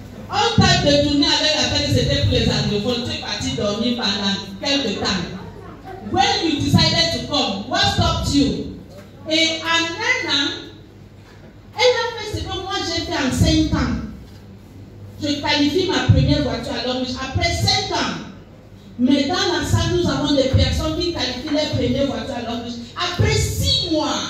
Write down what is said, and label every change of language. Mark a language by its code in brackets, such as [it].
[fr] On t'a détourné avec la fête, c'était pour les anglophones. Tu es parti dormir pendant quelques temps. [en] When you decided to come, what stopped you? [fr] Et Anana, elle a fait ce que moi j'ai fait en 5 ans. Je qualifie ma première voiture à l'homme après 5 ans. Mais dans la salle, nous avons des personnes qui qualifient les premières voitures à Long Beach après 6 mois.